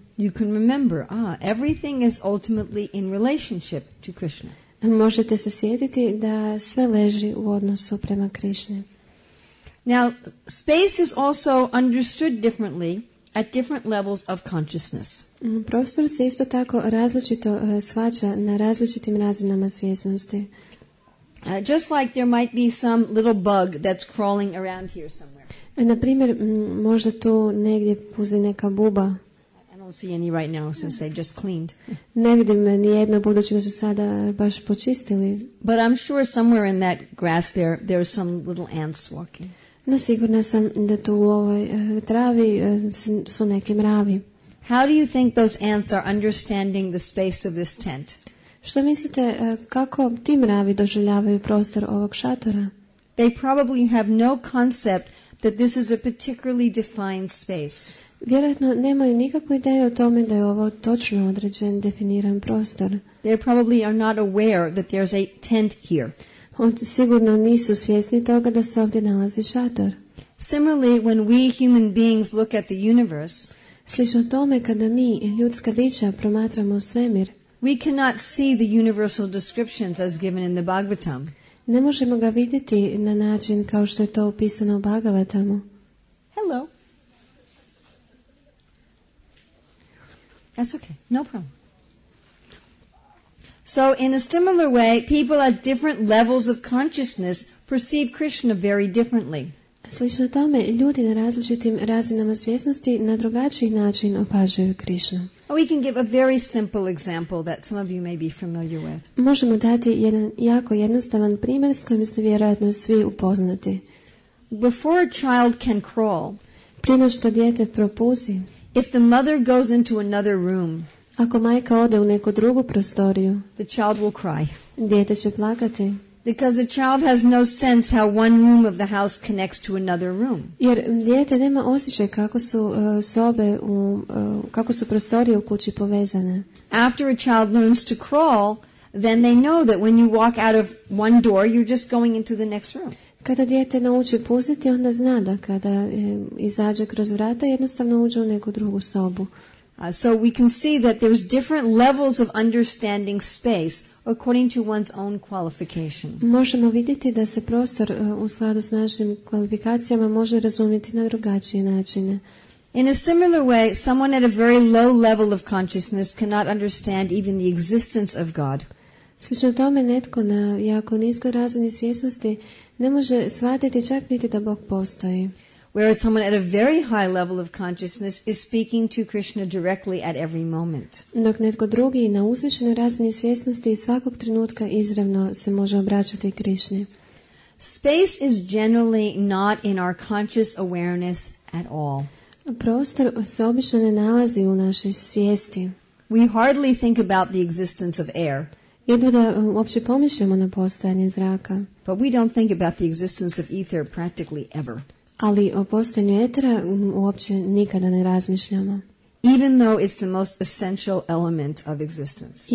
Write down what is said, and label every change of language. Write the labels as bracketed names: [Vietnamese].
[English] You can remember, everything is ultimately in relationship to Krishna. [Croatian] Možete se sjetiti da sve leži u odnosu prema Krishni. [English] Now, space is also understood differently at different levels of consciousness. [Croatian] Prostor se isto tako različito shvaća na različitim razinama svjesnosti. [English] Just like there might be some little bug that's crawling around here somewhere. [Croatian] Na primjer, možda tu negdje puzi neka buba. [English] I don't see any right now since they just cleaned. [Croatian] Ne vidim ni jedno budući da su sada baš počistili. [English] But I'm sure somewhere in that grass there are some little ants walking. [Croatian] No, sigurna sam da tu u ovoj travi su neki mravi. [English] How do you think those ants are understanding the space of this tent? [Croatian] Što mislite kako ti mravi doživljavaju prostor ovog šatora? [English] They probably have no concept that this is a particularly defined space. [Croatian] Vjerojatno nemaju nikakvu ideju o tome da je ovo točno određen, definiran prostor. [English] They probably are not aware that there's a tent here. [Croatian] Oni sigurno nisu svjesni toga da se ovdje nalazi šator. [English] Similarly, when we human beings look at the universe, [Croatian] slično tome kada mi ljudska bića promatramo svemir, [English] we cannot see the universal descriptions as given in the Bhagavatam. [Croatian] Ne možemo ga vidjeti na način kao što je to opisano u Bhagavatamu. [English] Hello. That's okay. No problem. So in a similar way, people at different levels of consciousness perceive Krishna very differently. [Croatian] Slično tome, ljudi na različitim razinama svjesnosti na drugačiji način opažaju Krishnu. [English] We can give a very simple example that some of you may be familiar with. [Croatian] Možemo dati jedan jako jednostavan primjer s kojim ste vjerojatno svi upoznati. [English] Before a child can crawl, [Croatian] prije nego što dijete propuzi, [English] if the mother goes into another room, [Croatian] ako majka ode u neku drugu prostoriju, [English] the child will cry. [Croatian] Dijete će plakati. [English] Because the child has no sense how one room of the house connects to another room. [Croatian] Jer dijete nema osjećaj kako su sobe kako su prostorije u kući povezane. [English] After a child learns to crawl, then they know that when you walk out of one door, you're just going into the next room. [Croatian] Kada dijete nauči puzati, onda zna da kada izađe kroz vrata, jednostavno uđe u neku drugu sobu. [English] So we can see that there's different levels of understanding space according to one's own qualification. [Croatian] Možemo vidjeti da se prostor u skladu s našim kvalifikacijama može razumjeti na drugačije načine. [English] In a similar way, someone at a very low level of consciousness cannot understand even the existence of God. [Croatian] Slično tome, netko na jako niskoj razini svjesnosti ne može shvatiti čak niti da Bog postoji. [English] Whereas someone at a very high level of consciousness is speaking to Krishna directly at every moment. [Croatian] Dok netko drugi na uzvišenoj razini svjesnosti i svakog trenutka izravno se može obraćati Krišni. [English] Space is generally not in our conscious awareness at all. [Croatian] Prostor se obično ne nalazi u našoj svijesti. [English] We hardly think about the existence of air. [Croatian] Jedva da uopće pomišljamo na postojanje zraka. [English] But we don't think about the existence of ether practically ever. [Croatian] Ali o postojanju etera uopće nikada ne razmišljamo. [English] Even though it's the most essential element of existence.